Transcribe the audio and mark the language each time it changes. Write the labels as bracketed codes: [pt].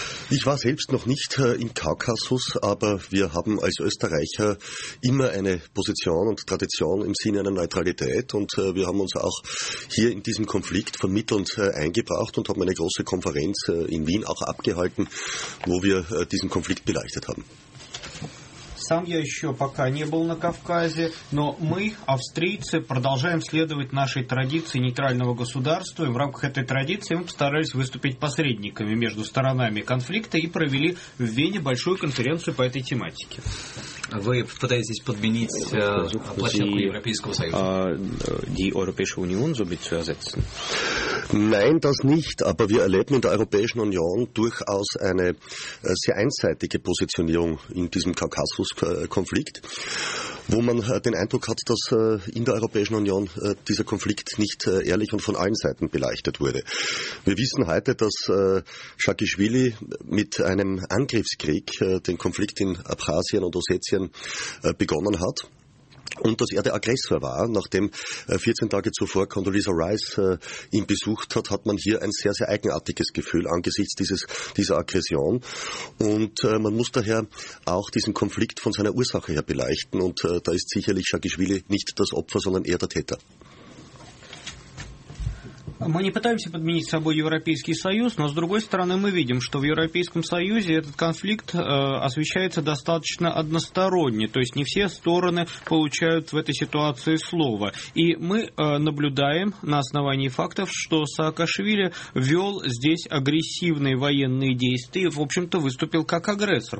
[de] Ich war selbst noch nicht im Kaukasus, aber wir haben als Österreicher immer eine Position und Tradition im Sinne einer Neutralität und wir haben uns auch hier in diesem Konflikt vermittelnd eingebracht und haben eine große Konferenz in Wien auch abgehalten, wo wir diesen Konflikt beleuchtet haben. [ru] Сам я еще пока не был на Кавказе, но мы, австрийцы, продолжаем следовать нашей традиции нейтрального государства, и в рамках этой традиции мы постарались выступить посредниками между сторонами конфликта и провели в Вене большую конференцию по этой тематике. Вы пытаетесь подменить площадку Европейского Союза? [de] Nein, das nicht, aber wir erleben in der Europäischen Union durchaus eine sehr einseitige Positionierung in diesem Kaukasus-Konflikt, wo man den Eindruck hat, dass in der Europäischen Union dieser Konflikt nicht ehrlich und von allen Seiten beleuchtet wurde. Wir wissen heute, dass Schakischwili mit einem Angriffskrieg den Konflikt in Abchasien und Ossetien begonnen hat. Und dass er der Aggressor war, nachdem 14 Tage zuvor Condoleezza Rice ihn besucht hat, hat man hier ein sehr, sehr eigenartiges Gefühl angesichts dieser Aggression. Und man muss daher auch diesen Konflikt von seiner Ursache her beleuchten. Und da ist sicherlich Schakischwili nicht das Opfer, sondern eher der Täter. [ru] Мы не пытаемся подменить с собой Европейский Союз, но, с другой стороны, мы видим, что в Европейском Союзе этот конфликт освещается достаточно односторонне, то есть не все стороны получают в этой ситуации слово. И мы наблюдаем на основании фактов, что Саакашвили вел здесь агрессивные военные действия и, в общем-то, выступил как агрессор.